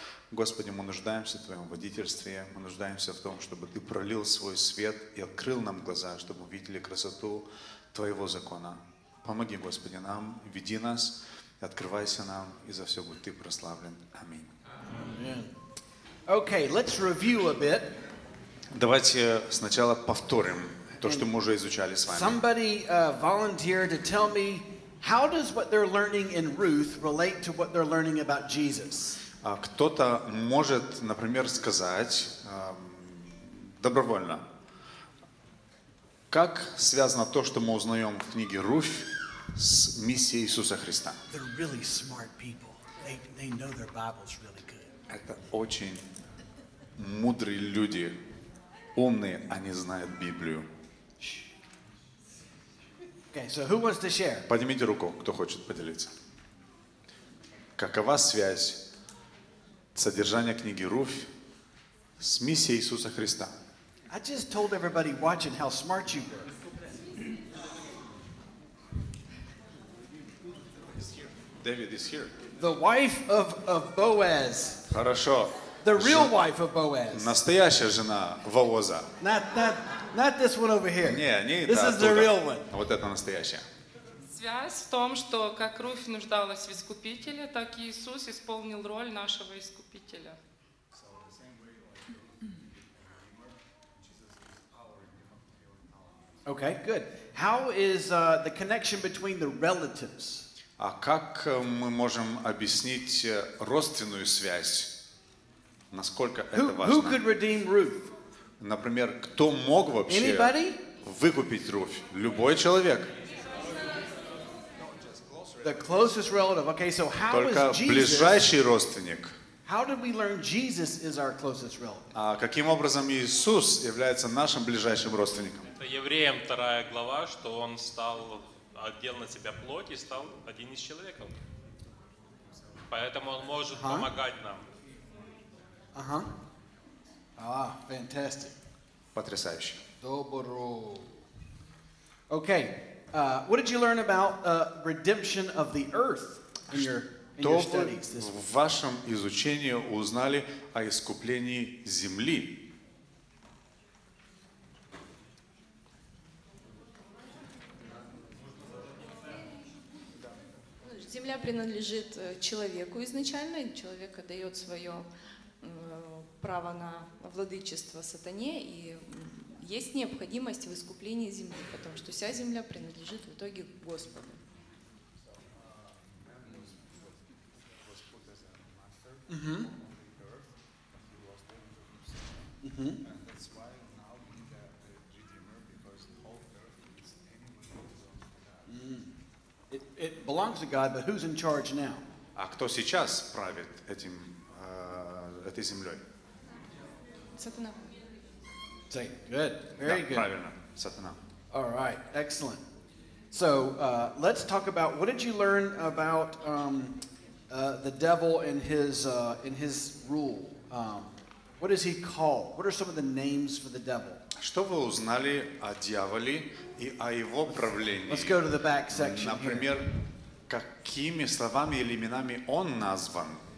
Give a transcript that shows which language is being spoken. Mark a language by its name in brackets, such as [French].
[Russian] Господи, мы нуждаемся в Твоем водительстве. Мы нуждаемся в том, чтобы Ты пролил свой свет и открыл нам глаза, чтобы увидели красоту Твоего закона. Помоги, Господи, нам, веди нас, открывайся нам, и за все будь Ты прославлен. Аминь. [English] Okay, let's review a bit. [Russian] Давайте сначала повторим то, что мы уже изучали с вами. [English] Somebody volunteered to tell me how does what they're learning in Ruth relate to what they're learning about Jesus? [Russian] Кто-то может, например, сказать добровольно, как связано то, что мы узнаем в книге Руфь, с миссией Иисуса Христа? [English] They're really smart people. They know their Bibles really. [Russian] Это очень мудрые люди, умные, они знают Библию. [English] Okay, so who wants to share? [Russian] Поднимите руку, кто хочет поделиться. Какова связь содержания книги Руфь с миссией Иисуса Христа? [English] I just told everybody watching how smart you were. David is here. The wife of Boaz. [Russian] Хорошо. [English] The real wife of Boaz. [Russian] Настоящая жена Вооза. [English] Not this one over here. [Russian] Не, не [English] та. This is the real one. [Russian] Вот это настоящая. Связь в том, что как Руфь нуждалась в искупителе, так и Иисус исполнил роль нашего искупителя. [English] Okay, good. How is the connection between the relatives? [Russian] А как мы можем объяснить родственную связь? Насколько это важно? [English] Who could redeem Ruth? [Russian] Например, кто мог вообще [English] Anybody? [Russian] Выкупить Руфь? Любой человек. [English] The closest relative. Okay, so how [Russian] Только [English] is Jesus, [Russian] ближайший родственник. [English] How did we learn Jesus is our closest relative? [Russian] А каким образом Иисус является нашим ближайшим родственником? Это Евреям 2 глава, что Он стал... отдел на себя плоть и стал один из человеков. Поэтому он может uh-huh. помогать нам. Ага. Ага, fantastic. Потрясающе. Добро. Okay. [English] What did you learn about redemption of the earth in your studies this week? [Russian] Что в вашем изучении узнали о искуплении земли? Земля принадлежит человеку изначально, человек отдает свое право на владычество сатане, и есть необходимость в искуплении земли, потому что вся земля принадлежит в итоге Господу. [English] It belongs to God, but who's in charge now? [Russian] А кто сейчас правит этим этой землей? Сатана. [English] Say good, very good. [Russian] Да, правильно, сатана. [English] All right, excellent. So let's talk about what did you learn about the devil and his rule? What is he called? What are some of the names for the devil? [Russian] Что вы узнали о дьяволе и о его правлении? [English] Let's go to the back section. [Russian] Например, какими словами или именами он назван?